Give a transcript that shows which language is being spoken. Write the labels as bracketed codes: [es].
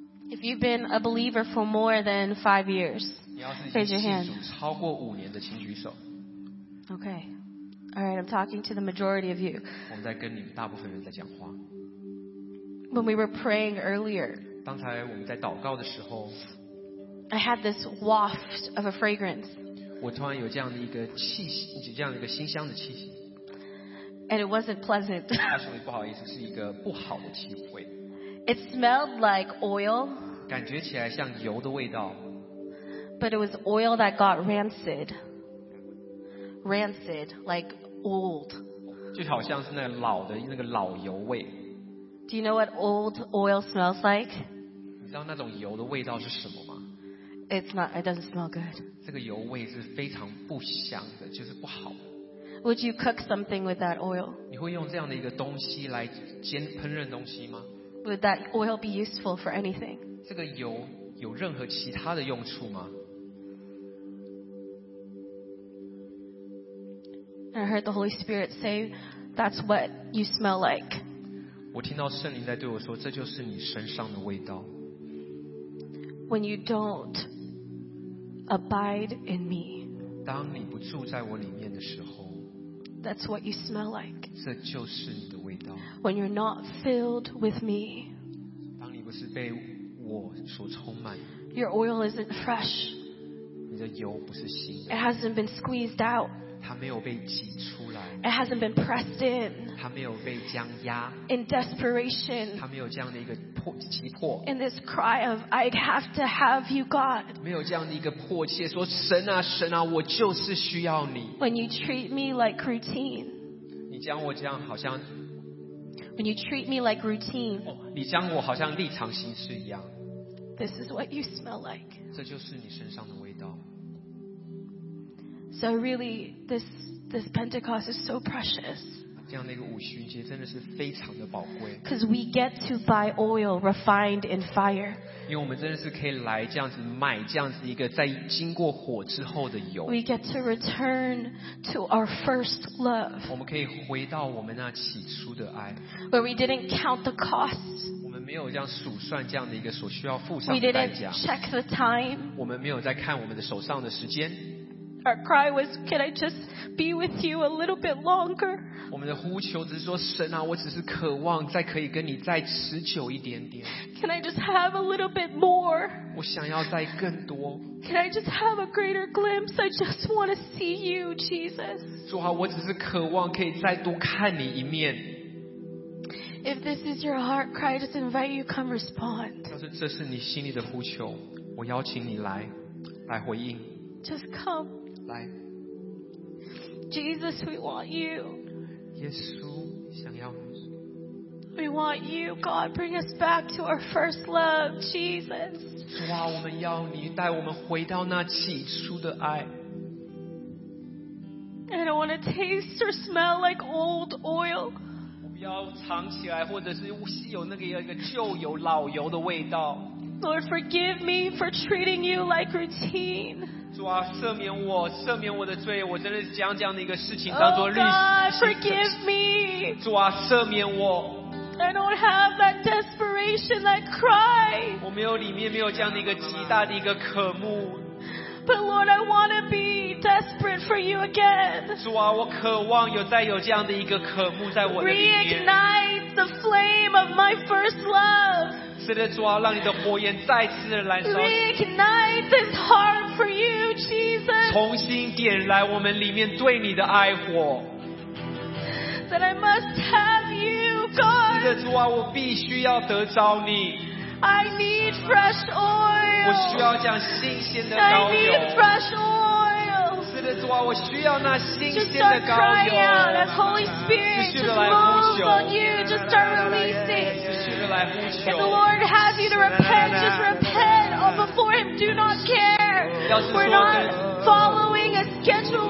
[en] If you've been a believer for more than 5 years, raise your hand. [zh] 超过五年的，请举手。 [en] Okay, all right. I'm talking to the majority of you. [zh] 我们在跟你们大部分人在讲话。 [en] When we were praying earlier, [zh] 刚才我们在祷告的时候 [en] ，I had this waft of a fragrance. [zh] 我突然有这样的一个气息，这样一个馨香的气息。 [en] And it wasn't pleasant. [zh] 它属于不好意思，是一个不好的气味。 [en] It smelled like oil. [zh] 感觉起来像油的味道。 [en] But it was oil that got rancid. Rancid, like old. [zh] 就好像是那个老的那个老油味。 [en] Do you know what old oil smells like? [zh] 你知道那种油的味道是什么吗？ [en] It doesn't smell good. [zh] 这个油味是非常不香的，就是不好的。 [en] Would you cook something with that oil? [zh] 你会用这样的一个东西来煎烹饪东西吗？ [en] Would that oil be useful for anything? [zh] 这个油有任何其他的用处吗？ [en] I heard the Holy Spirit say, "That's what you smell like." [zh] 我听到圣灵在对我说，这就是你身上的味道。 [en] When you don't abide in me. [zh] 当你不住在我里面的时候。 [en] That's what you smell like. [zh] 这就是你的味道。 [en] When you're not filled with me, [zh] 当你不是被我所充满。 [en] Your oil isn't fresh. [zh] 你的油不是新的。 [en] It hasn't been squeezed out. [zh] 它没有被挤出来。 [en] It hasn't been pressed in. [zh] 它没有被僵压。 [en] In desperation. [zh] 它没有这样的一个急迫。 [en] In this cry of I have to have you, God. [zh] 没有这样的一个迫切，说神啊神啊，我就是需要你。 [en] When you treat me like routine. [zh] 你将我这样好像。 [en] When you treat me like routine. [zh] 你将我好像立场行事一样。 [en] This is what you smell like. [zh] 这就是你身上的味道。 [en] So really, this Pentecost is so precious. [zh] 这样的一个五旬节真的是非常的宝贵。 [en] Because we get to buy oil refined in fire. [zh] 因为我们真的是可以来这样子买这样子一个在经过火之后的油。 [en] We get to return to our first love. [zh] 我们可以回到我们那起初的爱。 [en] Where we didn't count the cost. [zh] 我们没有这样数算这样的一个所需要付上的代价。 [en] We didn't check the time. [zh] 我们没有在看我们的手上的时间。 [en] Our cry was, "Can I just be with you a little bit longer?" [zh] 我们的呼求只是说，神啊，我只是渴望再可以跟你再持久一点点。 [en] Can I just have a little bit more? [zh] 我想要再更多。 [en] Can I just have a greater glimpse? I just want to see you, Jesus. [zh] 主啊，我只是渴望可以再多看你一面。 [en] If this is your heart cry, I just invite you come respond. [zh] 要是这是你心里的呼求，我邀请你来回应。 [en] Just come. Jesus, we want you. [zh] 耶稣想要你。 [en] We want you, God. Bring us back to our first love, Jesus. [zh] 主啊，我们要你带我们回到那起初的爱。 [en] I don't want to taste or smell like old oil. [zh] 我不要尝起来，或者是有那个一个旧油、老油的味道。 [en] Lord, forgive me for treating you like routine. [zh] 主啊，赦免我，赦免我的罪，我真的是将这样的一个事情当作律师。 [en] Oh God, forgive me. [zh] 主啊，赦免我。 [en] I don't have that desperation, that cry. [zh] 我没有里面没有这样的一个极大的一个渴慕。 [en] But Lord, I want to be desperate for you again. [zh] 主啊，我渴望有再有这样的一个渴慕在我的里面。 [en] Reignite the flame of my first love. [zh] 是的，主啊，让你的火焰再次的燃烧。 [en] Reignite this heart for you, Jesus. [zh] 重新点燃我们里面对你的爱火。 [en] That I must have you, God. [zh] 是的，主啊，我必须要得着你。 [en] I need fresh oil. [zh] 我需要这样新鲜的膏油。 [en] I need fresh oil. [zh] 是的，主啊，我需要那新鲜的膏油。 [en] Just start crying out as Holy Spirit just moves on you. Just start releasing. [zh] 继续的来呼求。 [en] If the Lord has you to repent, just repent. Oh, before Him, do not care. We're not following a schedule.